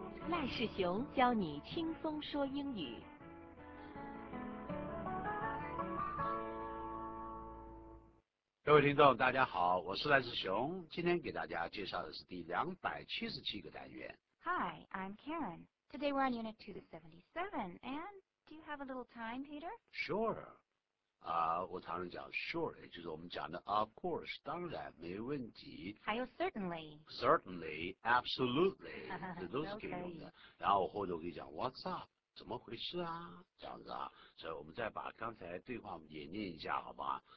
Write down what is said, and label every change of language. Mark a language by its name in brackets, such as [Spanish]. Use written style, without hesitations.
[Chinese] 赖世雄教你轻松说英语。各位听众大家好，我是赖世雄，今天给大家介绍的是第277个单元。 [English] Hi, I'm Karen. Today we're on unit 277. And do you have a little time, Peter? Sure. [Chinese] 我常常讲 sure， 也就是我们讲的 [English] of course， [Chinese] 当然没问题。还有 certainly。 [English] Certainly， absolutely， 这 [Chinese] 都是可以用的。然后或者我可以讲 [English] what's up， [Chinese] 怎么回事啊？这样子啊，所以我们再把刚才对话我们也念一下，好吧？